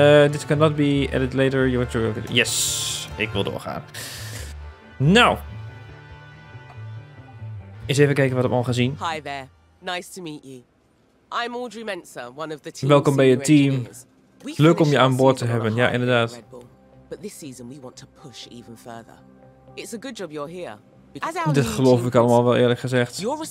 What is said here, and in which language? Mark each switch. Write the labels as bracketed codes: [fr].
[en] This cannot be edited later. You want to... Yes. [nl] Ik wil doorgaan. Nou. Eens even kijken wat ik al gezien. [en] Hi there. Nice to meet you. I'm Audrey Mensah, one of the team. [nl] Welkom bij je team. Leuk om je aan boord te hebben. Ja, inderdaad. [en] But this season we want to push even further. It's a good job you're here. [nl] Dit geloof ik allemaal wel eerlijk gezegd.